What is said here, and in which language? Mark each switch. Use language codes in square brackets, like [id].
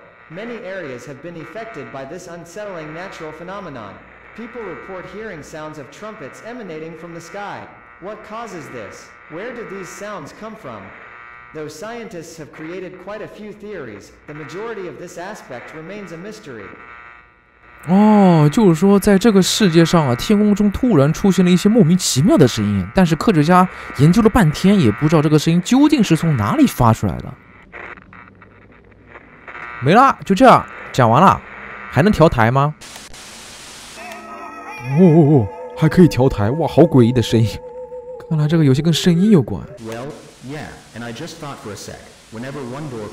[en] Many areas have been affected by this unsettling natural phenomenon. People report hearing sounds of trumpets emanating from the sky. What causes this? Where do these sounds come from? Though scientists have created quite a few theories, the majority of this aspect remains a mystery. [zh] 哦，就是说在这个世界上啊，天空中突然出现了一些莫名其妙的声音，但是科学家研究了半天也不知道这个声音究竟是从哪里发出来的。没啦，就这样讲完了。还能调台吗？哦哦哦，还可以调台。哇，好诡异的声音，看来这个游戏跟声音有关。 [en] Well, yeah. And I just thought for a sec, whenever one door